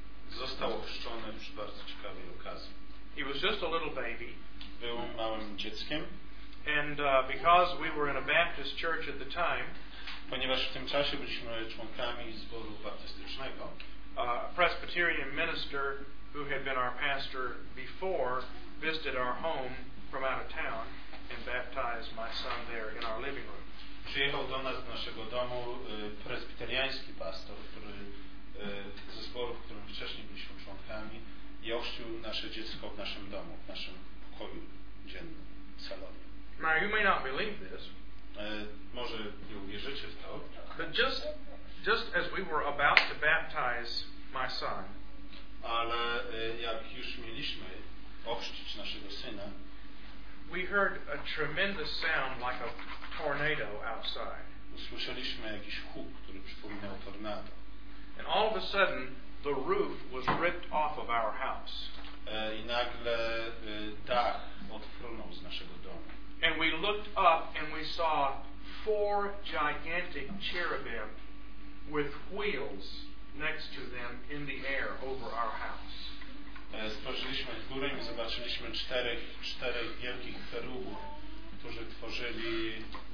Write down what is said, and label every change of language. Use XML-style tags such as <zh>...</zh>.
<pl>Został ochrzczony przy bardzo ciekawej okazji.</pl> <en>He was just a little baby.</en> <pl>Był małym dzieckiem.</pl> <en>And because we were in a Baptist church at the time,</en> <pl>ponieważ w tym czasie byliśmy członkami zboru baptystycznego,</pl> <en>a Presbyterian minister who had been our pastor before visited our home from out of town and baptized my son there in our living room.</en> <pl>Przyjechał do nas do naszego domu presbiteriański pastor, który ze zboru, w którym wcześniej byliśmy członkami, i ochrzcił nasze dziecko w naszym domu, w naszym pokoju dziennym, salonie.</pl> <en>Now you may not believe this.</en> <pl>Może nie uwierzycie w to.</pl> <en>But just as we were about to baptize my son,</en> <pl>ale jak już mieliśmy ochrzcić naszego syna,</pl> <en>we heard a tremendous sound like a tornado outside.</en> <pl>Usłyszeliśmy jakiś huk, który przypominał tornado.</pl> <en>And all of a sudden, the roof was ripped off of our house.</en> <pl>I nagle dach odfrunął z naszego domu.</pl> <en>And we looked up and we saw four gigantic cherubim with wheels next to them in the air over our house.</en> <pl>Spojrzeliśmy w górę i zobaczyliśmy czterech wielkich cherubów, którzy tworzyli</pl>